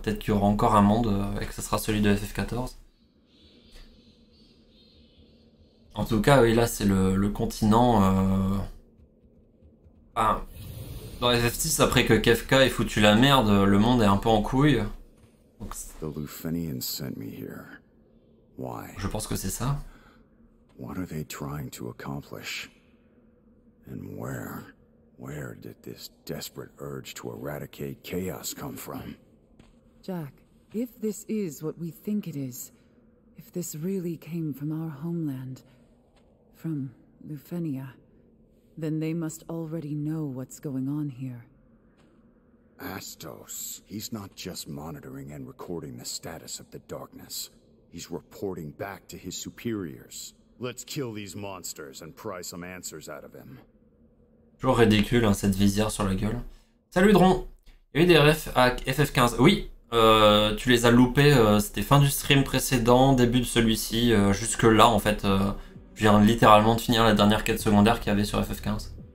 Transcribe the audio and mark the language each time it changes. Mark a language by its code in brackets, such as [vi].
[fr] Peut-être qu'il y aura encore un monde et que ce sera celui de FF14. En tout cas, oui, là c'est le continent. Enfin, dans FF6, après que Kefka ait foutu la merde, le monde est un peu en couille. [en] Donc, the Lufenians sent me here. [fr] Je pense que c'est ça. [en] What are they trying to accomplish? And where did this desperate urge to eradicate chaos come from? Jack, if this is what we think it is, if this really came from our homeland, from Lufenia, then they must already know what's going on here. Astos, he's not just monitoring and recording the status of the darkness. He's reporting back to his superiors. Let's kill these monsters and pry some answers out of him. [fr] Toujours ridicule, hein, cette visière sur la gueule. Salut Dron. Il y a eu des refs à FF15. Oui, tu les as loupés. C'était fin du stream précédent, début de celui-ci. Jusque là, en fait, je viens littéralement de finir la dernière quête secondaire qu'il y avait sur FF15.